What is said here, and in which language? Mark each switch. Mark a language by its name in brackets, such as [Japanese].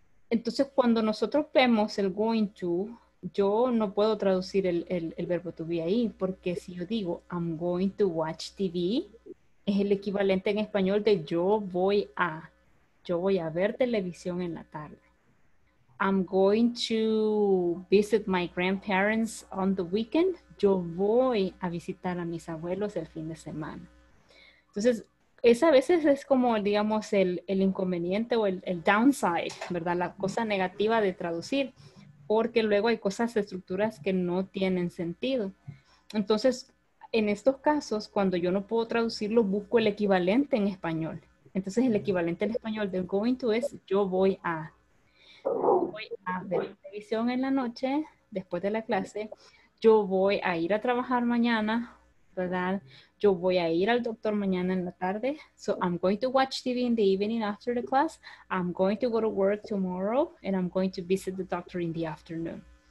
[Spanish] Entonces cuando nosotros vemos el going to, yo no puedo traducir el verbo to be ahí, porque si yo digo [English] I'm going to watch TV, [Spanish] es el equivalente en español de yo voy a ver televisión en la tarde. [English] I'm going to visit my grandparents on the weekend. [Spanish] Yo voy a visitar a mis abuelos el fin de semana. Entonces, esa a veces es como, digamos, el inconveniente o el downside, ¿verdad? La cosa negativa de traducir, porque luego hay cosas, estructuras que no tienen sentido. Entonces, en estos casos, cuando yo no puedo traducirlo, busco el equivalente en español. Entonces, el equivalente en español del going to es yo voy a ver televisión en la noche, después de la clase. Yo voy a ir a trabajar mañana, ¿verdad? Yo voy a ir al doctor mañana en la tarde. [English] So, I'm going to watch TV in the evening after the class. I'm going to go to work tomorrow. And I'm going to visit the doctor in the afternoon.